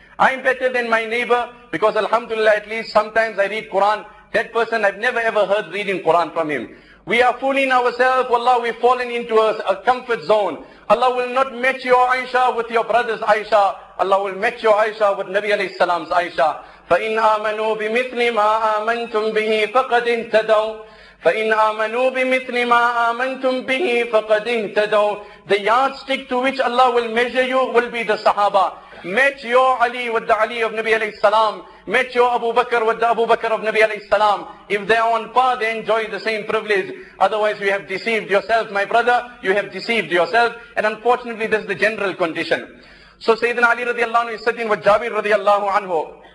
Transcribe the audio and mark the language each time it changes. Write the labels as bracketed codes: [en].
[en] I'm better than my neighbor because Alhamdulillah, at least sometimes I read Quran. That person, I've never ever heard reading Quran from him. We are fooling ourselves. Wallah, we've fallen into a comfort zone. Allah will not match your Aisha with your brother's Aisha. Allah will match your Aisha with Nabi alayhi salam's Aisha. [ar] فَإِنْ آمَنُوا بِمِثْلِ مَا آمَنْتُمْ بِهِ فَقَدْ اِنْتَدَوْا فَإِنْ آمَنُوا بِمِثْلِ مَا آمَنْتُمْ بِهِ فَقَدْ اِنْتَدَوْا [en] The yardstick to which Allah will measure you will be the Sahaba. Match your Ali with the Ali of Nabi alayhi salam. Match your Abu Bakr with the Abu Bakr of Nabi alayhi salam. If they are on par, they enjoy the same privilege. Otherwise, you have deceived yourself, my brother. You have deceived yourself. And unfortunately, this is the general condition. So Sayyidina Ali radiallahu anhu is sitting with Jabir radiallahu anhu.